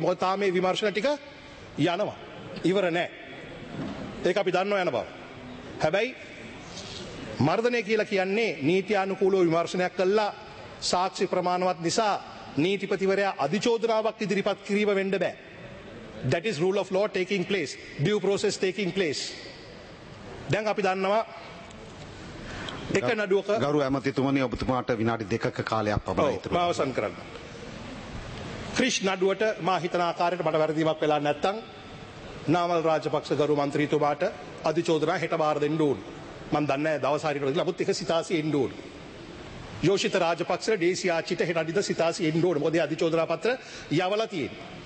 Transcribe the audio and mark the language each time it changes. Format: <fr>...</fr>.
<si>මොකද තාම මේ විමර්ශන ටික යනවා. ඉවර නැහැ. ඒක අපි දන්නවා යන බව. හැබැයි මර්ධනය කියලා කියන්නේ නීත්‍යානුකූලව විමර්ශනයක් කළා සාක්ෂි ප්‍රමාණවත් නිසා නීතිපතිවරයා අධිචෝදනාවක් ඉදිරිපත් කිරීම වෙන්න බෑ.</si> <en>That is rule of law taking place, due process taking place.</en> <si>දැන් අපි දන්නවා එක නඩුවක ගරු ඇමතිතුමනි ඔබතුමාට විනාඩි දෙකක කාලයක් පමණයි ඉතුරු. ඔව් මම අවසන් කරන්න. ක්‍රිෂ් නඩුවට මා හිතන ආකාරයට මට වැරදීමක් වෙලා නැත්නම් නාමල් රාජපක්ෂ ගරු මන්ත්‍රීතුමාට අධිචෝදනා හෙට බාර දෙන්න ඕන. මම දන්නේ දවස් හරියට ලබු 186 එන්න ඕන. යෝෂිත රාජපක්ෂ ඩීසී ආචිත හෙරඩිද සිතාසි එන්න ඕනේ මොකද අධිචෝදනා පත්‍ර යවලා තියෙන්නේ.</si>